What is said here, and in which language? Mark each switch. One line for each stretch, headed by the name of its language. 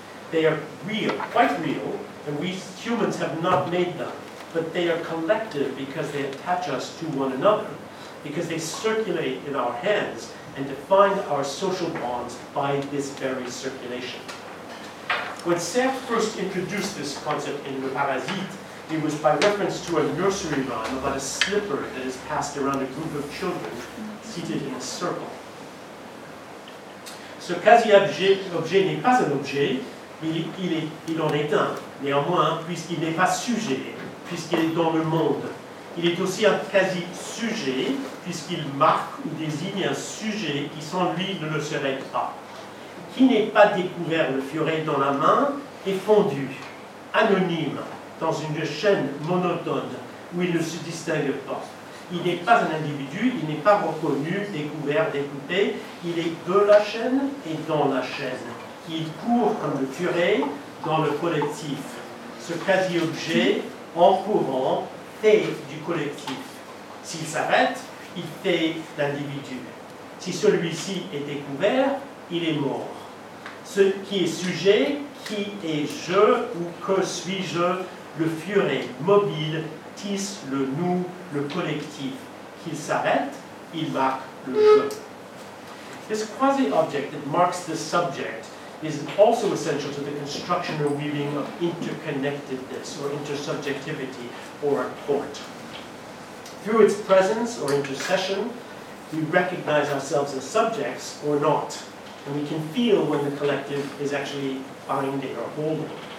English: They are real, quite real, and we humans have not made them, but they are collective because they attach us to one another, because they circulate in our hands and define our social bonds by this very circulation. When Serre first introduced this concept in Le Parasite, it was by reference to a nursery rhyme about a slipper that is passed around a group of children seated in a circle.
French: Ce quasi-objet objet n'est pas un objet, mais il en est un, néanmoins, puisqu'il n'est pas sujet, puisqu'il est dans le monde. Il est aussi un quasi-sujet, puisqu'il marque ou désigne un sujet qui sans lui ne le serait pas. Qui n'est pas découvert le furet dans la main est fondu, anonyme, dans une chaîne monotone où il ne se distingue pas. Il n'est pas un individu, il n'est pas reconnu, découvert, découpé. Il est de la chaîne et dans la chaîne. Il court comme le furet dans le collectif. Ce quasi-objet, en courant, fait du collectif. S'il s'arrête, il fait l'individu. Si celui-ci est découvert, il est mort. Ce qui est sujet, qui ai-je ou que suis-je, le furet mobile tisse le nous, le collectif. Qu'il s'arrête, il marque le je.
English: This quasi-object that marks the subject is also essential to the construction or weaving of interconnectedness or intersubjectivity or a court. Through its presence or intercession, we recognize ourselves as subjects or not, and we can feel when the collective is actually binding or holding.